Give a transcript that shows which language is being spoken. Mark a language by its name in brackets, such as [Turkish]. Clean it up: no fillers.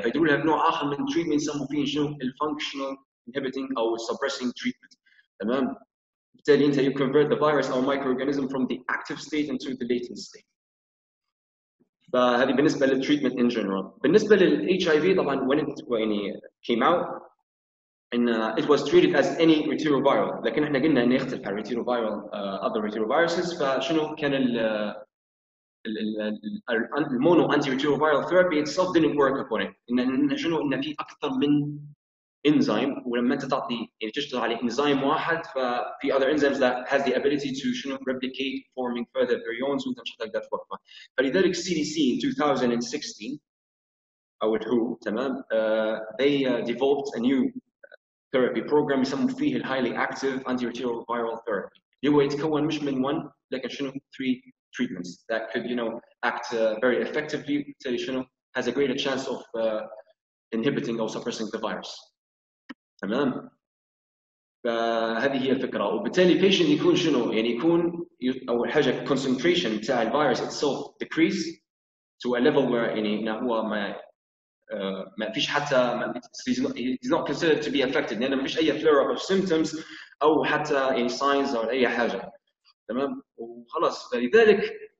[Arabic] فيدول هاب نوع آخر من treatment يسمون فيه شنو [English] functional inhibiting or suppressing treatment. [Arabic] تمام. بالتالي أنت [English] you convert the virus or microorganism from the active state into the latent state. [Arabic] فهذه بالنسبة [English] للtreatment in general. [Arabic] بالنسبة للHIV طبعاً [English] when it came out and it was treated as any retroviral. [Arabic] لكن إحنا قلنا إن يختلف عن retroviral [English] other retroviruses. [Arabic] فشنو كان ال [English] mono antiretroviral therapy itself didn't work upon it. [Arabic] إن شنو إن في أكثر من enzyme ولما أنت تعطي يعني تشتغل على enzyme واحد ففي [English] other enzymes that has the ability to [Arabic] شنو [English] replicate forming further virions [Arabic] وأنت مش هتقدر تفرق ما فلذلك CDC in 2016 [English] أو WHO تمام they developed a new therapy program [Arabic] يسمون فيه ال [English] highly active antiretroviral therapy [Arabic] اللي هو يتكون مش من [English] one [Arabic] لكن شنو [English] three treatments that could you know act very effectively [Arabic] تلي شنو [English] has a greater chance of inhibiting or suppressing the virus. [Arabic] تمام فهذه هي الفكره وبالتالي patient يكون شنو يعني يكون اول حاجه concentration بتاع الفيروس [English] itself decrease to a level where [Arabic] يعني انه هو ما فيش حتى [English] he's not considered to be affected [Arabic] لانه ما فيش اي [English] flare up of symptoms [Arabic] او حتى يعني signs او اي حاجه تمام وخلاص فلذلك